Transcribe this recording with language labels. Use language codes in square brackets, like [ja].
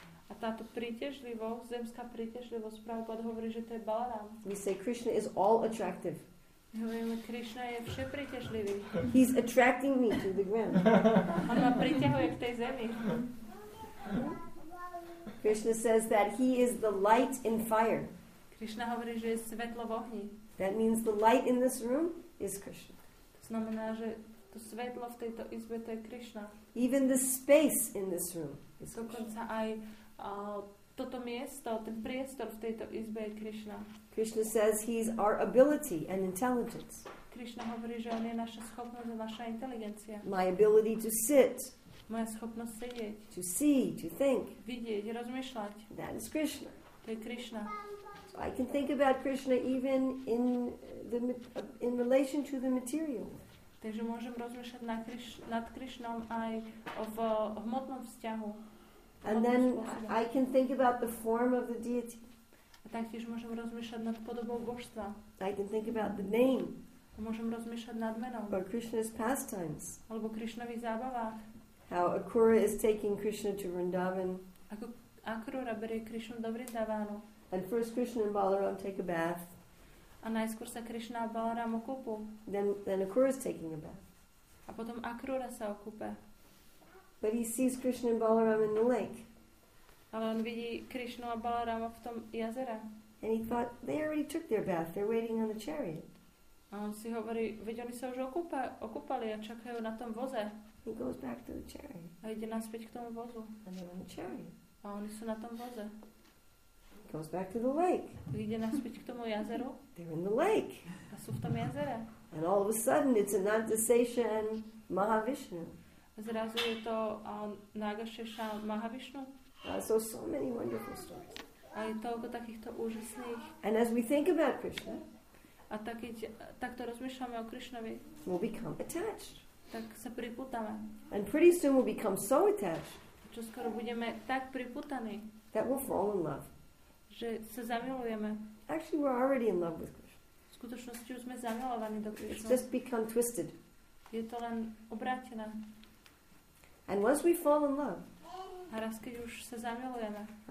[sk] A táto príťažlivosť, zemská príťažlivosť, Prabhupada hovorí, že to je Balaram. [en] We say Krishna is all attractive. [sk] Hovoríme, Krishna je všepríťažlivý. [en] He's attracting me to the ground. [sk] On ma priťahuje k tej zemi. [en] Krishna says that he is the light in fire. [sk] Krishna hovorí, že je svetlo v ohni. [en] That means the light in this room is Krishna. [sk] To znamená, že to svetlo v tejto izbe, to je Krishna. [en] Even the space in this room is Krishna. [sk] Dokonca aj toto miesto, ten priestor v tejto izbe je Krishna. [en] Krishna says he's our ability and intelligence. [sk] Krishna hovorí, že on je naša schopnosť a naša inteligencia. [en] My ability to sit. [sk] Moja schopnosť sedieť. [en] To see, to think. [sk] Vidieť, rozmýšľať. [en] That is Krishna. [sk] To je Krishna. [en] So I can think about Krishna even in relation to the material. [sk] Takže môžem rozmýšľať nad Krishnom aj v hmotnom vzťahu. [en] And then I can think about the form of the deity. [sk] A taktiež môžem rozmýšľať nad podobou božstva. [en] I can think about the name. [sk] A môžem rozmýšľať nad menom. [en] Or Krishna's pastimes. [sk] Alebo Krishnových zábavách. [en] How Akura is taking Krishna to Vrindavan. [sk] Ako Akura berie Krishnu do Vrindavanu. [en] And first Krishna and Balaram take a bath. [sk] A najskôr sa Krishna a Balaram okúpu. [en] Then Akura is taking a bath. [sk] A potom Akura sa okúpe. [en] But he sees Krishna and Balaram in the lake. [sk] Ale on vidí Krishnu a Balarama v tom jazere. [en] And he thought, they already took their bath. They're waiting on the chariot. [sk] A on si hovorí, veď oni sa už okúpali a čakajú na tom voze. [en] He goes back to the chariot. [sk] A ide naspäť k tomu vozu. [en] And they're on the chariot. [sk] A oni sú na tom voze. [en] Goes back to the lake. [sk] Ide naspäť k tomu jazeru. [en] They're in the lake. [sk] A sú v tom jazere. [en] And all of a sudden, it's Ananta Sesha and Mahavishnu. [sk] Zrazu je to Nagashesha Mahavishnu. [en] So many wonderful stories. [sk] A je toľko takýchto úžasných. [en] And as we think about Krishna, [sk] a takto rozmýšľame o Krishnovi, [en] we'll become attached. [sk] Tak sa pripútame. [en] And pretty soon we'll become so attached. [sk] Čo skoro budeme tak pripútaní. [en] That we'll fall in love. [sk] Že sa zamilujeme. [en] Actually, we're already in love with Krishna. [sk] V skutočnosti už sme zamilovaní do Krishna. [en] It's just become twisted. [sk] Je to len obrátené. [en] And once we fall in love, [sk] a raz, keď už sa zamilujeme,